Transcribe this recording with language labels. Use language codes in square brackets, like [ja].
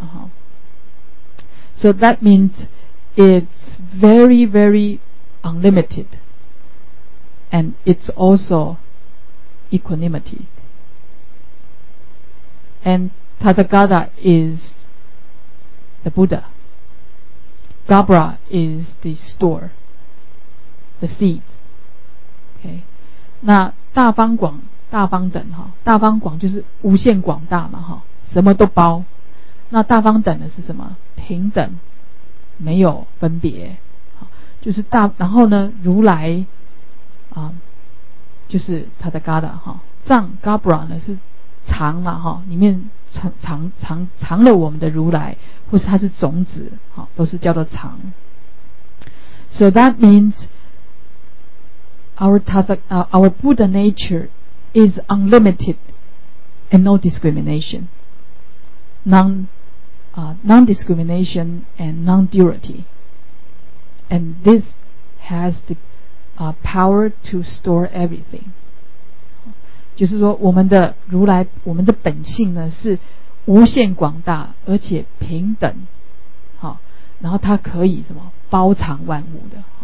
[en] 哈 ，So that means it's very very unlimited， and it's also equanimity， and Tathagata is the Buddha， Gabra is the store， the seed。 [zh] Okay， 那大方广大方等，大方广就是无限广大嘛，什么都包。那大方等的是什么？平等，没有分别，就是大。然后呢，如来就是 Tathagata， 藏 Gabra 呢是藏嘛，里面 藏了我们的如来，或是它是种子，都是叫做藏。 [en] So that meansOur Buddha nature is unlimited and no discrimination. Non-discrimination and non-duality. And this has the power to store everything. [zh] 就是说我们的如来，我们的本性呢是无限广大而且平等，然后它可以什么包藏万物的。